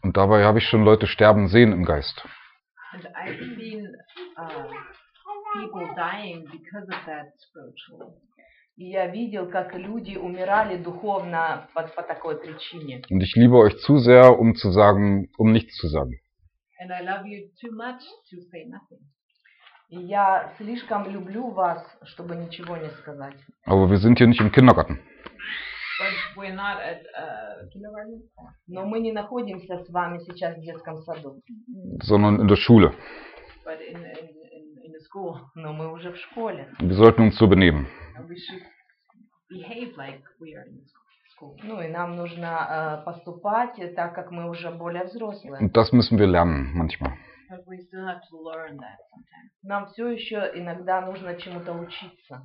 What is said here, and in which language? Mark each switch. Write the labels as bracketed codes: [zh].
[de] Und dabei habe ich schon Leute sterben sehen im Geist. [en] And I've seen people dying because of that spiritual. [ru] И я видел, как люди умирали духовно по такой причине. [de] Und ich liebe euch zu sehr, um zu sagen, um nichts zu sagen. [en] And I love you too much to say nothing. [ru] Я слишком люблю вас, чтобы ничего не сказать. [de] Aber wir sind hier nicht im Kindergarten. [en] But we're not at kindergarten. [ru] Но мы не находимся с вами сейчас в детском саду. [de] Sondern in der Schule. [en] But in the school. [ru] Но мы уже в школе. [de] Wir sollten uns so benehmen. [en] And we should behave like we are in school. [ru] Ну и нам нужно поступать так, как мы уже более взрослые. [de] Und das müssen wir lernen manchmal. [en] But we still have to learn that sometimes. [ru] Нам все еще иногда нужно чему-то учиться.